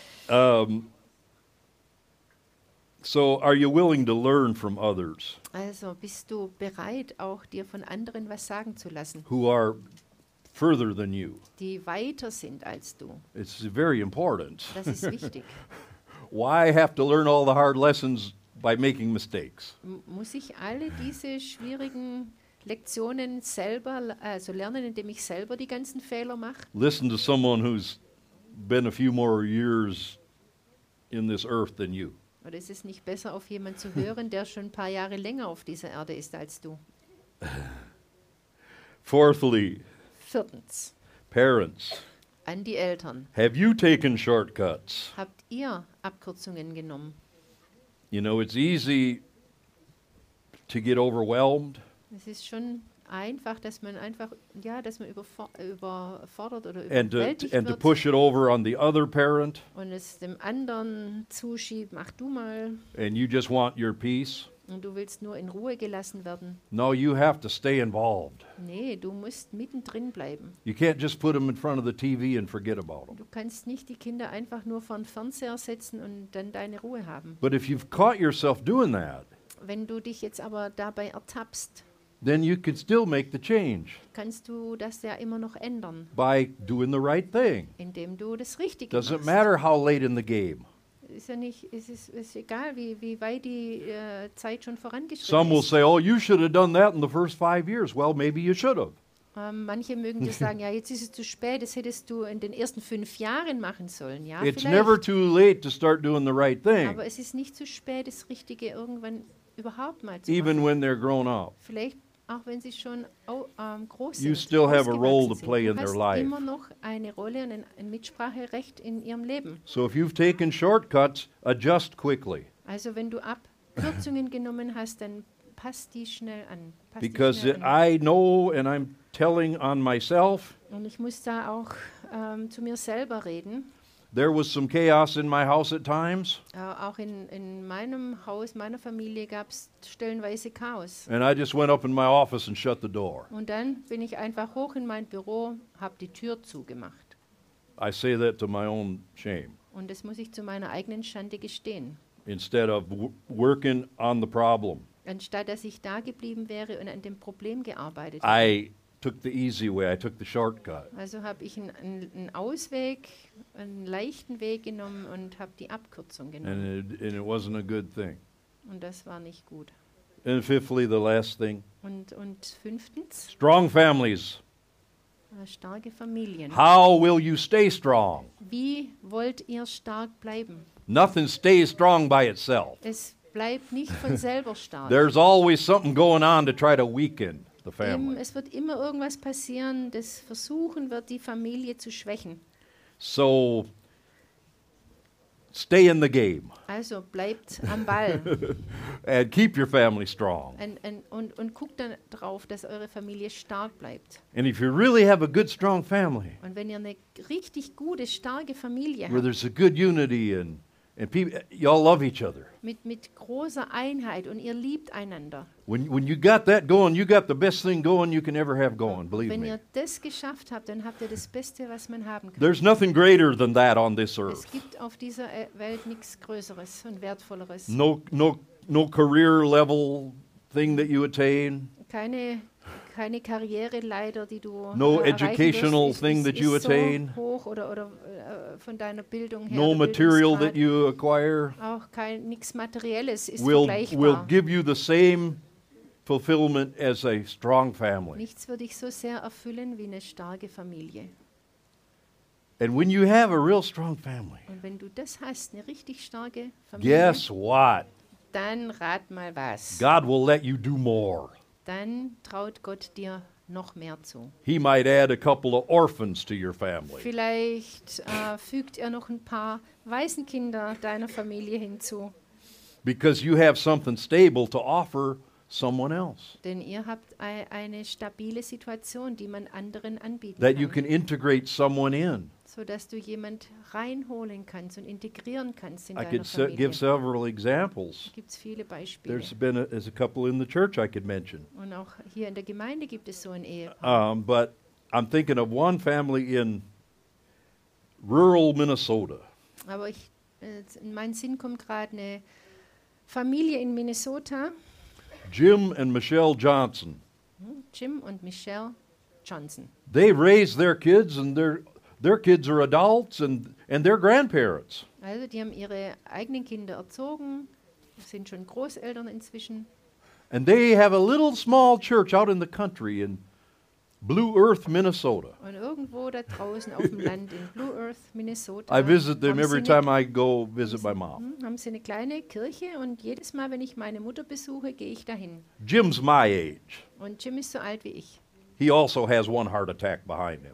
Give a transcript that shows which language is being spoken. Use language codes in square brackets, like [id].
[en] So are you willing to learn from others? [de] Also, bist du bereit auch dir von anderen was sagen zu lassen? [en] Who are further than you? [de] Die weiter sind als du. [en] It's very important. [de] Das ist wichtig. [en] Why have to learn all the hard lessons by making mistakes? [de] Muss ich alle diese schwierigen Lektionen selber also lernen, indem ich selber die ganzen Fehler mache? [en] Listen to someone who's been a few more years in this earth than you. [de] Oder ist es nicht besser, auf jemanden zu hören, der schon ein paar Jahre länger auf dieser Erde ist als du? [en] Fourthly. [de] Viertens. [en] Parents. [de] An die Eltern. [en] Have you taken shortcuts? [de] Habt ihr Abkürzungen genommen? [en] You know, it's easy to get overwhelmed. [de] Es ist schon einfach, dass man einfach, dass man überfordert oder überwältigt wird. [en] And to push it over on the other parent. [de] Und es dem anderen zuschiebt, mach du mal. [en] And you just want your peace. [de] Und du willst nur in Ruhe gelassen werden. [en] No, you have to stay involved. [de] Nee, du musst mittendrin bleiben. [en] You can't just put them in front of the TV and forget about them. [de] Du kannst nicht die Kinder einfach nur vor den Fernseher setzen und dann deine Ruhe haben. [en] But if you've caught yourself doing that, [de] wenn du dich jetzt aber dabei ertappst, [en] then you can still make the change. [de] Kannst du das ja immer noch ändern. [en] By doing the right thing. [de] Indem du das Richtige [en] Doesn't [de] machst. [en] Matter how late in the game. [de] Ist ja nicht, ist egal, wie weit die Zeit schon vorangeschritten ist. [en] Some will say, oh, you should have done that in the first 5 years. Well, maybe you should have. [de] Manche mögen dir sagen, ja, jetzt ist es zu spät, das hättest du in den ersten 5 Jahren machen sollen. Ja, [en] It's [de] vielleicht. [en] Never too late to start doing the right thing. [de] Aber es ist nicht zu spät, das Richtige irgendwann überhaupt mal zu machen. [en] Even when they're grown up. [de] Vielleicht auch wenn sie schon groß sind. [en] You still have a role to play in their life. [de] Du hast immer noch eine Rolle und ein Mitspracherecht in ihrem Leben. [en] So if you've taken shortcuts, adjust quickly. [de] Also wenn du Abkürzungen genommen hast, dann pass die schnell an. [en] Because I know and I'm telling on myself. [de] Und ich muss da auch zu mir selber reden. [en] There was some chaos in my house at times. [de] Auch in meinem Haus, meiner Familie gab's stellenweise Chaos. [en] And I just went up in my office and shut the door. [de] Und dann bin ich einfach hoch in mein Büro, hab die Tür zugemacht. [en] I say that to my own shame. [de] Und das muss ich zu meiner eigenen Schande gestehen. [en] Instead of working on the problem. [de] Anstatt dass ich da geblieben wäre und an dem Problem gearbeitet [en] I took the easy way, I took the shortcut. [de] Also habe ich einen Ausweg, einen leichten Weg genommen und habe die Abkürzung genommen. [en] And it wasn't a good thing. [de] Und das war nicht gut. [en] And fifthly, the last thing. [de] Und fünftens. [en] Strong families. [de] Starke Familien. [en] How will you stay strong? [de] Wie wollt ihr stark bleiben? [en] Nothing stays strong by itself. [de] Es bleibt nicht von selber stark. [en] There's always something going on to try to weaken. The family. [de] Es wird immer irgendwas passieren, das versuchen wird, die Familie zu schwächen. [en] So, stay in the game. [de] Also, bleibt am Ball. [en] And keep your family strong. [de] Und guckt dann drauf, dass eure Familie stark bleibt. [en] And if you really have a good, strong family, [de] und wenn ihr eine richtig gute, starke Familie habt, [en] where there's a good unity and people, y'all love each other. [de] Mit großer Einheit und ihr liebt einander. [en] When you got that going, you got the best thing going you can ever have going, believe [de] wenn [en] me. [de] Wenn ihr das geschafft habt, dann habt ihr das Beste, was man haben kann. [en] There's nothing greater than that on this earth. [de] Es gibt auf dieser Welt nichts Größeres und Wertvolleres. [en] No career level thing that you attain. [de] Keine Karriere leider, die du [en] no [de] erreichen [en] educational [de] wirst, [en] thing that you attain. [de] So hoch oder von deiner Bildung her. [en] No material that you acquire. [de] Auch nichts Materielles ist vergleichbar. [en] Will give you the same fulfillment as a strong family. [de] Nichts würde ich so sehr erfüllen wie eine starke Familie. [en] And when you have a real strong family. [de] Und wenn du das hast, eine richtig starke Familie. [en] Guess what? [de] Dann rat mal was. [en] God will let you do more. [de] Dann traut Gott dir noch mehr zu. [en] He might add a couple of orphans to your family. [de] Vielleicht fügt er noch ein paar Waisenkinder deiner Familie hinzu. [en] Because you have something stable to offer someone else. [de] Denn ihr habt eine stabile Situation, die man anderen anbieten [en] That [de] kann. [en] You can integrate someone in. [de] So dass du jemand reinholen kannst und integrieren kannst in [en] I [de] deiner [en] could [de] Familie. [en] Give several examples. [de] Gibt's viele Beispiele. [en] There's been a couple in the church I could mention. [de] Und auch hier in der Gemeinde gibt es so ein Ehepaar. [en] But I'm thinking of one family in rural Minnesota. [de] Aber ich, in meinen Sinn kommt gerade eine Familie in Minnesota. [en] Jim and Michelle Johnson. [de] Jim und Michelle Johnson. [en] They raise their kids and their kids are adults and their grandparents. [de] Also, die haben ihre eigenen Kinder erzogen, sind schon Großeltern inzwischen. [en] And they have a little small church out in the country in Blue Earth, Minnesota. [de] Und irgendwo da draußen auf dem Land in Blue Earth, Minnesota. [en] I visit them every time I go visit my mom. [de] Haben sie eine kleine Kirche und jedes Mal, wenn ich meine Mutter besuche, gehe ich dahin. [en] Jim's my age. [de] Und Jim ist so alt wie ich. [en] He also has one heart attack behind him.